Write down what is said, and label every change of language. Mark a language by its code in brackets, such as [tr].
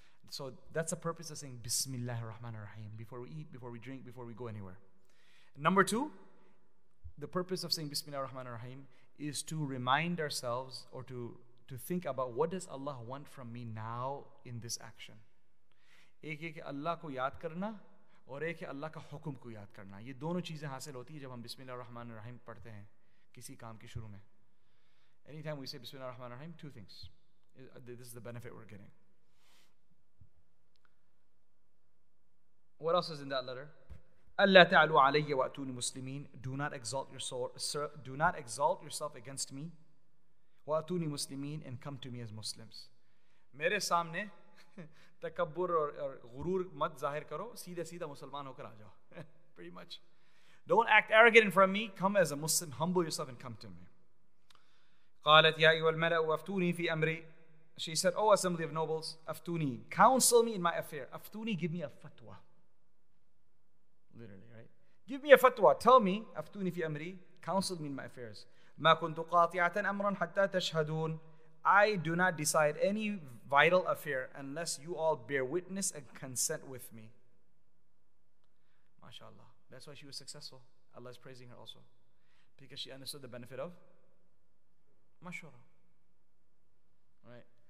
[en] So that's the purpose of saying Bismillah ar-Rahman ar-Rahim before we eat, before we drink, before we go anywhere. Number two, the purpose of saying Bismillah ar-Rahman ar-Rahim is to remind ourselves or to think about what does Allah want from me now in this action. [ur] ایک ہے کہ اللہ کو یاد کرنا اور ایک ہے اللہ کا حکم کو یاد کرنا. یہ دونوں چیزیں حاصل ہوتی ہے جب ہم بسم اللہ الرحمن الرحیم پڑھتے ہیں کسی کام کے شروع میں. [en] Anytime we say Bismillah ar-Rahman ar-Rahim, two things. This is the benefit we're getting. What else is in that letter? [ar] Allah ta'alu alayya wa atuni muslimin. [en] Do not exalt yourself against me. [ar] Wa atuni muslimin, [en] and come to me as Muslims. [ur] میرے سامنے تکبر اور غرور مت ظاہر کرو. سیدھا مسلمان ہوکر آجاؤ. [en] Pretty much. Don't act arrogant in front of me. Come as a Muslim. Humble yourself and come to me. [ar] قالت يا أيها الملأ وافتوني في أمري. [en] She said, oh assembly of nobles, افتوني, counsel me in my affair. افتوني, give me a fatwa. Literally, right? Give me a fatwa. Tell me, [ar] افتوني في أمري, [en] counsel me in my affairs. [ar] ما كنت قاطعة أمرا حتى تشهدون. [en] I do not decide any vital affair unless you all bear witness and consent with me. MashaAllah. That's why she was successful. Allah is praising her also. Because she understood the benefit of mashura. Right?